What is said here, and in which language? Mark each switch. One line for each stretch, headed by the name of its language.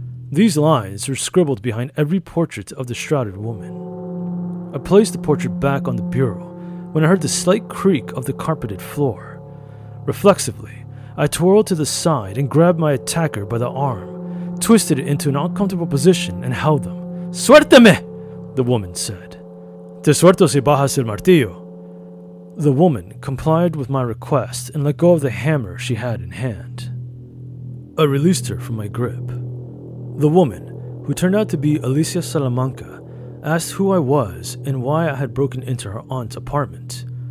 English: These lines were scribbled behind every portrait of the shrouded woman. I placed the portrait back on the bureau when I heard the slight creak of the carpeted floor. Reflexively, I twirled to the side and grabbed my attacker by the arm, twisted it into an uncomfortable position, and held them.
Spanish: "Suérteme!"
English: the woman said.
Spanish: "Te suelto si bajas el martillo."
English: The woman complied with my request and let go of the hammer she had in hand. I released her from my grip. The woman, who turned out to be Alicia Salamanca, asked who I was and why I had broken into her aunt's apartment.